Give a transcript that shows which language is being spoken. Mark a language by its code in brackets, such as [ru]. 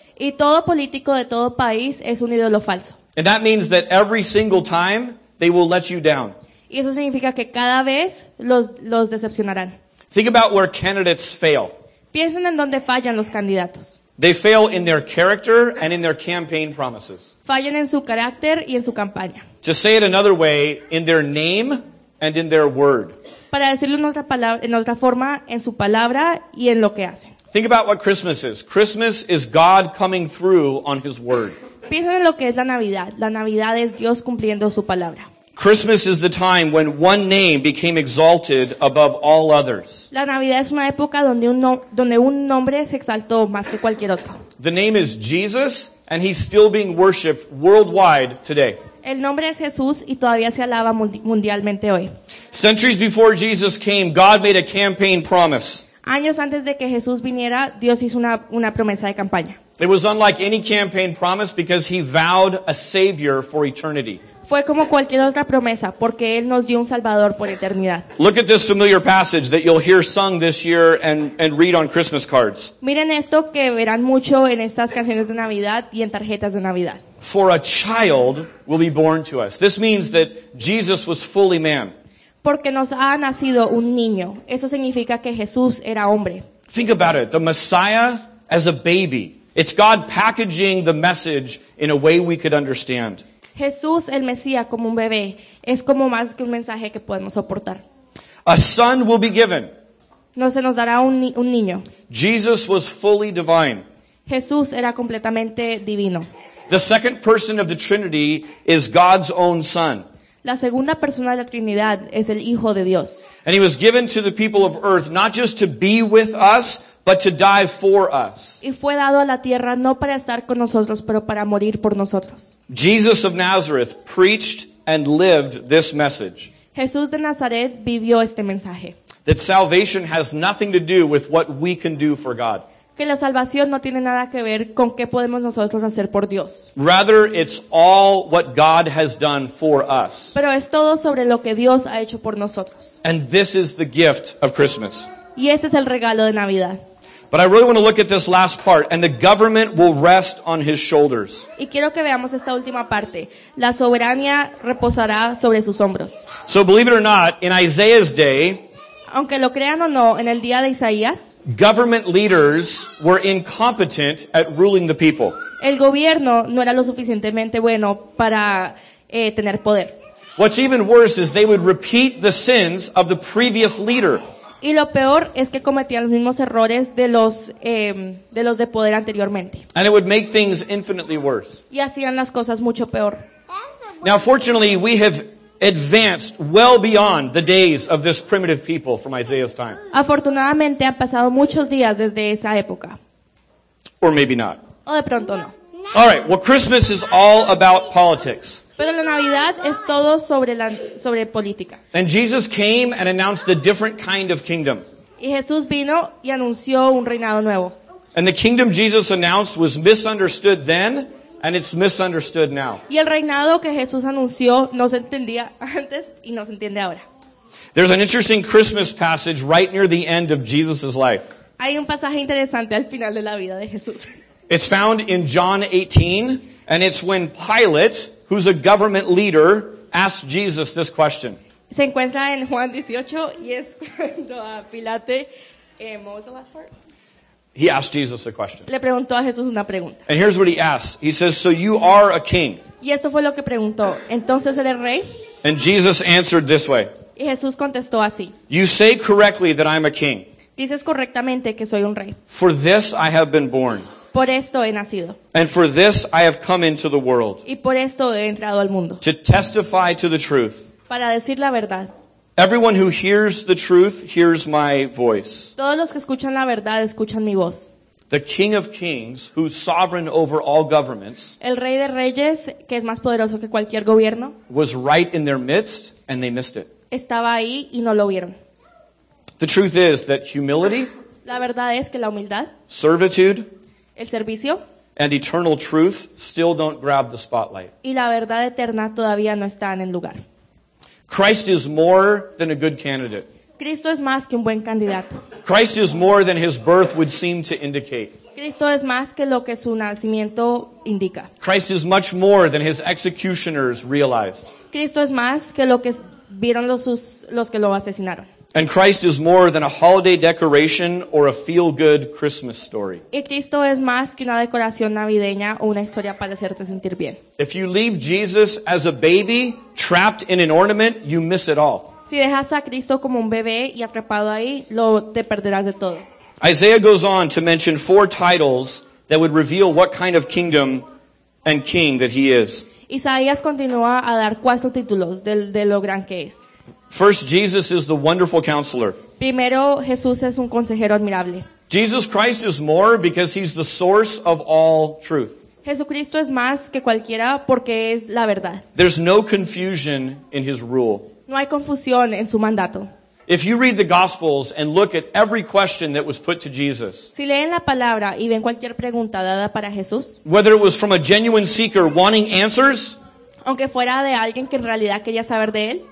[es] Y todo político de todo país es un ídolo falso. [en] And that means that every single time they will let you down. [es] Y eso significa que cada vez los decepcionarán. [en] Think about where candidates fail. [es] Piensen en dónde fallan los candidatos. [en] They fail in their character and in their campaign promises. [es] Fallan en su carácter y en su campaña. [en] To say it another way, in their name and in their word. [es] Para decirlo en otra forma, en su palabra y en lo que hacen. [en] Think about what Christmas is. Christmas is God coming through on His word. [es] Piensen en lo que es la Navidad. La Navidad es Dios cumpliendo su palabra. [en] Christmas is the time when one name became exalted above all others. [es] La Navidad es una época donde un nombre se exaltó más que cualquier otro. [en] The name is Jesus, and He's still being worshipped worldwide today. [es] El nombre es Jesús y todavía se alaba mundialmente hoy. [en] Centuries before Jesus came, God made a campaign promise. [es] Años antes de que Jesús viniera, Dios hizo una promesa de campaña. [en] It was unlike any campaign promise because He vowed a savior for eternity. [es] Fue como cualquier otra promesa porque Él nos dio un salvador por eternidad. [en] Look at this familiar passage that you'll hear sung this year and read on Christmas cards. [es] Miren esto que verán mucho en estas canciones de Navidad y en tarjetas de Navidad. [en] For a child will be born to us. This means that Jesus was fully man. [es] Porque nos ha nacido un niño. Eso significa que Jesús era hombre. [en] Think about it. The Messiah as a baby. It's God packaging the message in a way we could understand. [es] Jesús, el Mesías, como un bebé, es como más que un mensaje que podemos soportar. [en] A son will be given. [es] No se nos dará un niño. [en] Jesus was fully divine. [es] Jesús era completamente divino. [en] The second person of the Trinity is God's own son. [es] La segunda persona de la Trinidad es el Hijo de Dios. [en] And He was given to the people of earth not just to be with us, but to die for us. [es] Y fue dado a la tierra no para estar con nosotros, pero para morir por nosotros. [en] Jesus of Nazareth preached and lived this message. [es] Jesús de Nazaret vivió este mensaje. [en] That salvation has nothing to do with what we can do for God. [es] Que la salvación no tiene nada que ver con qué podemos nosotros hacer por Dios. [en] Rather, it's all what God has done for us. [es] Pero es todo sobre lo que Dios ha hecho por nosotros. [en] And this is the gift of Christmas. [es] Y ese es el regalo de Navidad. [en] But I really want to look at this last part, and the government will rest on His shoulders. [es] Y quiero que veamos esta última parte. La soberanía reposará sobre sus hombros. [en] So believe it or not, in Isaiah's day, [es] aunque lo crean o no, en el día de Isaías, [en] government leaders were incompetent at ruling the people. [es] El gobierno no era lo suficientemente bueno para tener poder. [en] What's even worse is they would repeat the sins of the previous leader. [es] Y lo peor es que cometían los mismos errores de los de poder anteriormente. [en] And it would make things infinitely worse. [es] Y hacían las cosas mucho peor. [en] Now, fortunately, we have advanced well beyond the days of this primitive people from Isaiah's time. [es] Afortunadamente, han pasado muchos días desde esa época. [en] Or maybe not. [es] O de pronto no. [en] All right, well, Christmas is all about politics. [es] Pero la Navidad es todo sobre política. [en] And Jesus came and announced a different kind of kingdom. [es] Y Jesús vino y anunció un reinado nuevo. [en] And the kingdom Jesus announced was misunderstood then, and it's misunderstood now. [es] Y el reinado que Jesús anunció no se entendía antes y no se entiende ahora. [en] There's an interesting Christmas passage right near the end of Jesus' life. [es] Hay un pasaje interesante al final de la vida de Jesús. [en] It's found in John 18, and it's when Pilate, who's a government leader, asked Jesus this question. [es] Se encuentra en Juan 18, y es cuando a Pilate, [en] what was the last part? He asked Jesus a question. [es] Le preguntó a Jesús una pregunta. [en] And here's what he asked. He says, so you are a king. [es] Y eso fue lo que preguntó. ¿Entonces eres rey? [en] And Jesus answered this way. [es] Y Jesús contestó así. [en] You say correctly that I'm a king. [es] Dices correctamente que soy un rey. [en] For this I have been born. [es] Por esto he nacido. [en] And for this I have come into the world. [es] Y por esto he entrado al mundo. [en] To testify to the truth. [es] Para decir la verdad. [en] Everyone who hears the truth hears my voice. [es] Todos los que escuchan la verdad escuchan mi voz. [en] The King of Kings, who's sovereign over all governments, [es] el Rey de Reyes, que es más poderoso que cualquier gobierno, [en] was right in their midst, and they missed it. [es] Estaba ahí y no lo vieron. [en] The truth is that humility, [es] la verdad es que la humildad, [en] servitude, [es] el servicio, [en] and eternal truth still don't grab the spotlight. [es] Y la verdad eterna todavía no están en lugar. [en] Christ is more than a good candidate. [es] Cristo es más que un buen candidato. [en] Christ is more than his birth would seem to indicate. [es] Cristo es más que lo que su nacimiento indica. [en] Christ is much more than his executioners realized. [es] Cristo es más que lo que vieron los que lo asesinaron. [en] And Christ is more than a holiday decoration or a feel-good Christmas story. [es] Y Cristo es más que una decoración navideña o una historia para hacerte sentir bien. [en] If you leave Jesus as a baby trapped in an ornament, you miss it all. [es] Si dejas a Cristo como un bebé y atrapado ahí, lo te perderás de todo. [en] Isaiah goes on to mention four titles that would reveal what kind of kingdom and king that he is. [es] Isaías continúa a dar cuatro títulos de lo gran que es. [en] First, Jesus is the wonderful counselor. [es] Primero, Jesús es un consejero admirable. [en] Jesus Christ is more because he's the source of all truth. [es] Jesucristo es más que cualquiera porque es la verdad. [en] There's no confusion in his rule. [es] No hay confusión en su mandato. [en] If you read the Gospels and look at every question that was put to Jesus, [es] si leen la palabra y ven cualquier pregunta dada para Jesús, [en] whether it was from a genuine seeker wanting answers, [es] aunque fuera de alguien que en realidad quería saber de él,